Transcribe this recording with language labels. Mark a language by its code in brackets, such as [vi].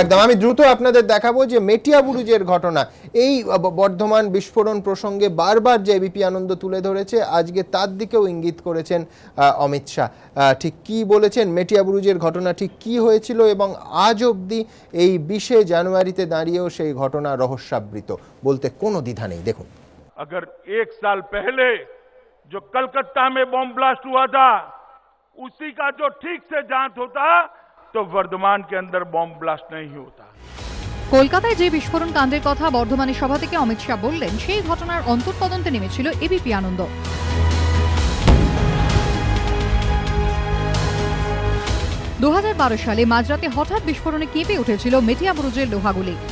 [bn] একদম, আমি দ্রুত আপনাদের দেখাবো যে মেটিয়াবুরুজের ঘটনা, এই বর্ধমান বিস্ফোরণ প্রসঙ্গে বারবার যে এবিপি আনন্দ তুলে ধরেছে, আজকে তার দিকেও ইঙ্গিত করেছেন অমিত শাহ। ঠিক কি বলেছেন, মেটিয়াবুরুজের ঘটনা ঠিক কি হয়েছিল, এবং আজ অবধি এই 20 জানুয়ারিতে দাঁড়িয়েও সেই ঘটনা রহস্যাবৃত, বলতে কোনো দ্বিধা নেই। দেখুন, [hi] अगर एक साल पहले जो कलकत्ता में बॉम्ब ब्लास्ट हुआ था, उसी का जो ठीक से जांच होता, तो वर्धमान के अंदर बॉम्ब ब्लास्ट नहीं होता। [bn] কলকাতায় যে বিস্ফোরণ কাণ্ডের কথা বর্ধমানের সভা থেকে অমিত শাহ বললেন, সেই ঘটনার অন্তর্তদন্তে নেমেছিল এবিপি আনন্দ। 2012 সালে মাঝরাতে হঠাৎ বিস্ফোরণে কেঁপে উঠেছিল মেটিয়াবুরুজের লোহাগুলি।